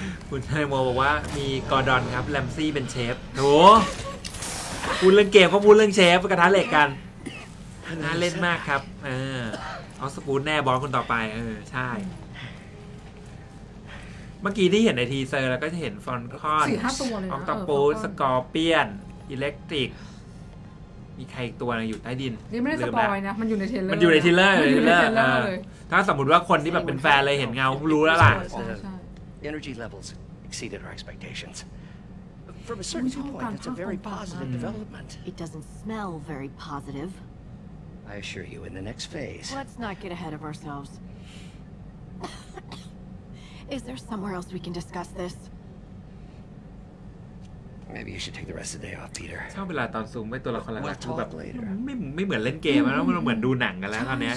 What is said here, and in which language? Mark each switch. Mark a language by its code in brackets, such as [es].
[th] คุณไทมอลบอกว่ามีกอร์ดอนครับแรมซี่เป็นเชฟโหพูดเรื่องเกมก็พูดเรื่องเชฟกระทะเหล็กกันน่าเล่นมากครับเอาสปูนแน่บอลคนต่อไปใช่เมื่อกี้ที่เห็นในทีเซอร์แล้วก็จะเห็นฟอนคอนออคตาปูสกอร์เปียนอิเล็กทริกมีใครอีกตัวนึงอยู่ใต้ดิน ยังไม่ได้สปอยนะมันอยู่ในเทรลเลอร์ มันอยู่ในเทรลเลอร์ มัน อย ในเทรลเลอร์เ ลยถ้าสมมติว่าคนที่แบบเป็นแฟนเลยเห็นเงารู้แล้วล่ะ ใช่ [en] energy levels exceeded our expectations from a certain point that's a very positive development it doesn't smell very positive I assure you in the next phase let's not get ahead of ourselves is there somewhere else we can discuss thisMaybe you should take the rest of the day off, Peter. [th] ชอบเวลาตอนซูมไปตัวละครหลักคือแบบไม่เหมือนเล่นเกมแล้วมันเหมือนดูหนังกันแล้วตอนนี้